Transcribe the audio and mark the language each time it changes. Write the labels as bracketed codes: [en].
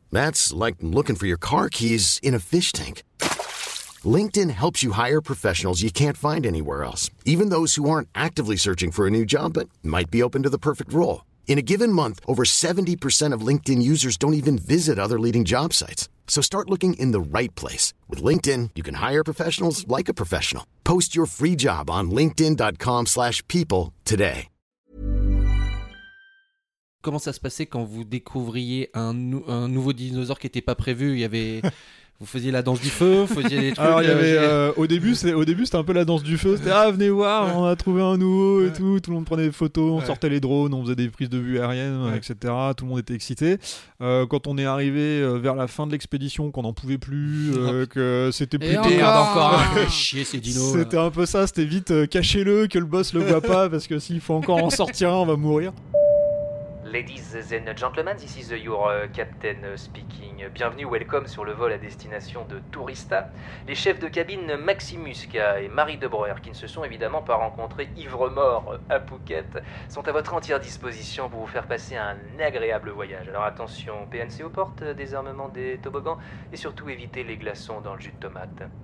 [en] That's like looking for your car keys in a fish tank. LinkedIn helps you hire professionals you can't find anywhere else, even those who aren't actively searching for a new job but might be open to the perfect role. In a given month, over 70% of LinkedIn users don't even visit other leading job sites. So start looking in the right place. With LinkedIn, you can hire professionals like a professional. Post your free job on linkedin.com/people today. [fr] Comment ça se passait quand vous découvriez un nouveau dinosaure qui n'était pas prévu? Il y avait... Vous faisiez la danse du feu, vous faisiez des trucs. Alors, au début, c'était un peu la danse du feu. C'était, venez voir, on a trouvé un nouveau et tout. Tout le monde prenait des photos, on sortait les drones, on faisait des prises de vue aériennes, etc. Tout le monde était excité. Quand on est arrivé vers la fin de l'expédition, qu'on n'en pouvait plus, que c'était plus tard. Merde encore, chier ces dinos. C'était un peu ça, c'était vite, cachez-le, que le boss le voit pas, parce que s'il faut encore en sortir un, on va mourir. [en] Ladies and gentlemen, this is your captain speaking. [fr] Bienvenue, [en] welcome [fr] sur le vol à destination de Tourista. Les chefs de cabine Maximuska et Marie De Breuer, qui ne se sont évidemment pas rencontrés ivre-mort à Phuket, sont à votre entière disposition pour vous faire passer un agréable voyage. Alors attention, PNC aux portes, désarmement des toboggans, et surtout évitez les glaçons dans le jus de tomate.